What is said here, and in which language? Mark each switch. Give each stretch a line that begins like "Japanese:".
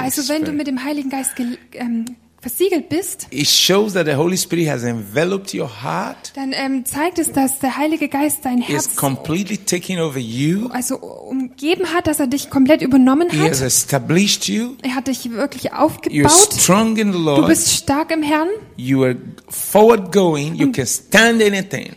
German: Also wenn du mit dem Heiligen Geist versiegelt bist,
English: it shows that the Holy Spirit has enveloped your heart.
German: Dann zeigt es, dass der Heilige Geist dein Herz
English: completely taken over you.
German: Also umgeben hat, dass er dich komplett übernommen hat.
English: He has established you.
German: Er hat dich wirklich aufgebaut.
English: You're strong in the Lord.
German: Du bist stark im Herrn.
English: You are forward going. You can stand anything.